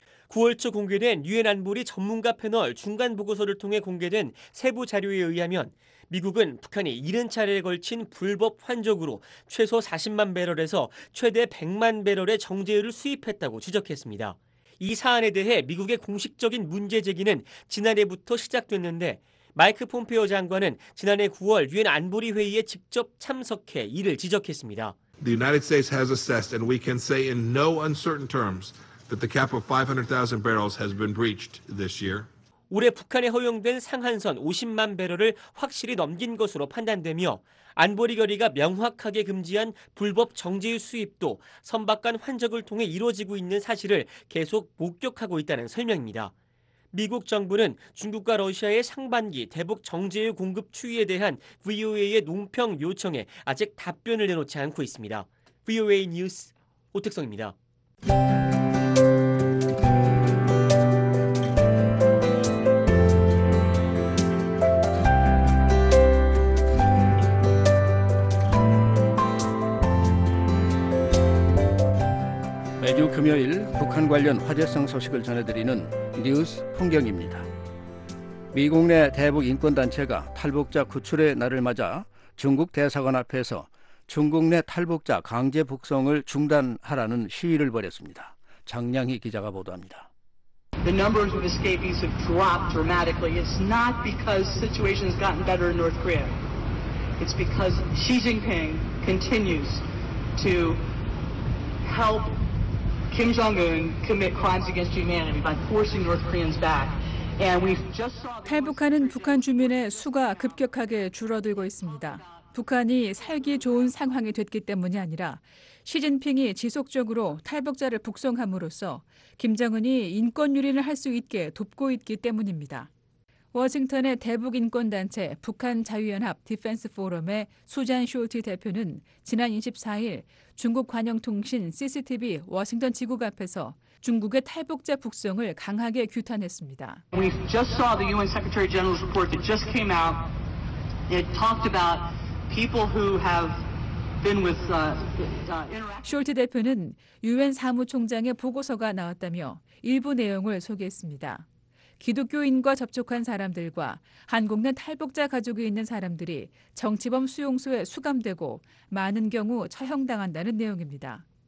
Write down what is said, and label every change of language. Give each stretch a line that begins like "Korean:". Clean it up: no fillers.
Korean: 9월 초 공개된 유엔 안보리 전문가 패널 중간 보고서를 통해 공개된 세부 자료에 의하면 미국은 북한이 70차례에 걸친 불법 환적으로 최소 40만 배럴에서 최대 100만 배럴의 정제유를 수입했다고 지적했습니다. 이 사안에 대해 미국의 공식적인 문제 제기는 지난해부터 시작됐는데 마이크 폼페오 장관은 지난해 9월 유엔 안보리 회의에 직접 참석해 이를 지적했습니다.
English: The United States has assessed and we can say in no uncertain terms that the cap of 500,000 barrels has been breached this year.
Korean: 올해 북한에 허용된 상한선 50만 배럴을 확실히 넘긴 것으로 판단되며 안보리 결의가 명확하게 금지한 불법 정제유 수입도 선박 간 환적을 통해 이루어지고 있는 사실을 계속 목격하고 있다는 설명입니다. 미국 정부는 중국과 러시아의 상반기 대북 정제유 공급 추이에 대한 VOA의 논평 요청에 아직 답변을 내놓지 않고 있습니다. VOA 뉴스 오택성입니다. 매주 금요일 북한 관련 화제성 소식을 전해드리는 뉴스 풍경입니다. 미국 내 대북 인권단체가 탈북자 구출의 날을 맞아 중국 대사관 앞에서 중국 내 탈북자 강제 북송을 중단하라는 시위를 벌였습니다. 장량희 기자가 보도합니다.
English: The numbers of escapees have dropped dramatically. It's not because situation has gotten better in North Korea. It's because Xi Jinping continues to help Kim Jong-un commit crimes against humanity by forcing North Koreans back. And we just saw
Korean: 탈북하는 북한 주민의 수가 급격하게 줄어들고 있습니다. 북한이 살기 좋은 상황이 됐기 때문이 아니라 시진핑이 지속적으로 탈북자를 북송함으로써 김정은이 인권 유린을 할 수 있게 돕고 있기 때문입니다. 워싱턴의 대북 인권 단체 북한 자유연합 디펜스 포럼의 수잔 쇼티 대표는 지난 24일 중국 관영통신 CCTV 워싱턴 지구가 앞에서 중국의 탈북자 북송을 강하게 규탄했습니다.
English: We just saw the UN Secretary General's report that just came out. It talked about people who have been with interact.
Korean: 쇼티 대표는 UN 사무총장의 보고서가 나왔다며 일부 내용을 소개했습니다. 기독교인과 접촉한 사람들과 한국 내 탈북자 가족이 있는 사람들이 정치범 수용소에 수감되고 많은 경우 처형당한다는 내용입니다.